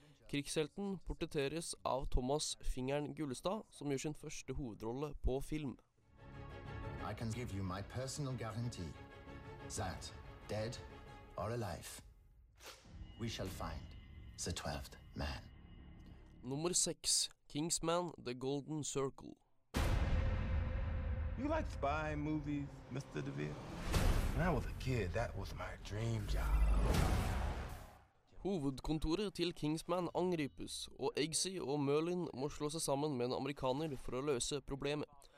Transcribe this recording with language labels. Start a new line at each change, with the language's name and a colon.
Norwegian: Krigshelten portretteres av Thomas Fingern Gullestad, som gjør sin første hovedrolle på film.
English: I can give you my personal guarantee that dead or alive we shall find the 12th man.
Norwegian: Nummer 6. Kingsman, The Golden Circle.
English: You like spy movies, Mr. DeVille? When I was a kid, that was my dream job.
Norwegian: Hovedkontoret til Kingsman angripes, og Eggsy og Merlin må slå seg sammen med en amerikaner for å løse problemet.